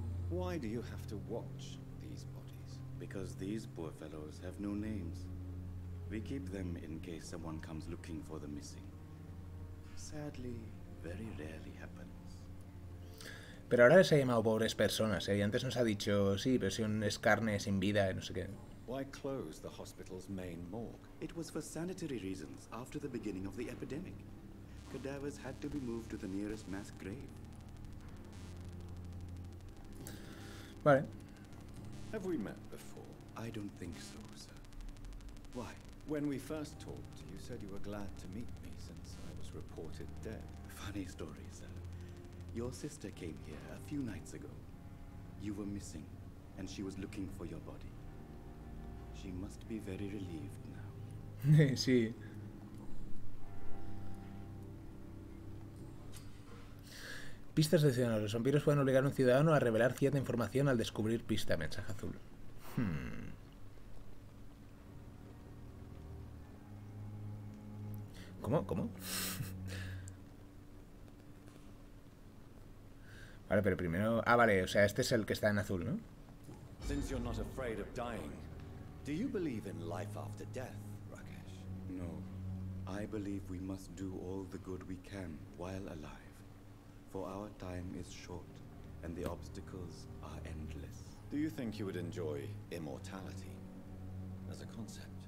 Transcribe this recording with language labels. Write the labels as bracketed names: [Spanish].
[English] Why do you have to watch these bodies? Because these poor fellows have no names. We keep them in case someone comes looking for the missing. Sadly, very rarely happens. [Spanish] Pero ahora les ha llamado pobres personas, ¿eh? Y antes nos ha dicho, sí, pero si un es carne sin vida, no sé qué. [English] Why close the hospital's main morgue? It was for sanitary reasons after the beginning of the epidemic. Cadavers had to be moved to the nearest mass grave. [Spanish] Vale. [English] Have we met before? I don't think so, sir. Why? When we first talked, you said you were glad to meet me since I was reported dead. Funny story, sir. Your sister came here a few nights ago. You were missing, and she was looking for your body. She must be very relieved now. [Spanish] Sí. Pistas de ciudadanos. Los vampiros pueden obligar a un ciudadano a revelar cierta información al descubrir pista. Mensaje azul. ¿Cómo? ¿Cómo? Vale, pero primero. Ah, vale, o sea, este es el que está en azul, ¿no? [English] Since you're not afraid of dying, do you believe in life after death, Rakesh? No. I believe we must do all the good we can while alive. For our time is short, and the obstacles are endless. Do you think you would enjoy immortality as a concept?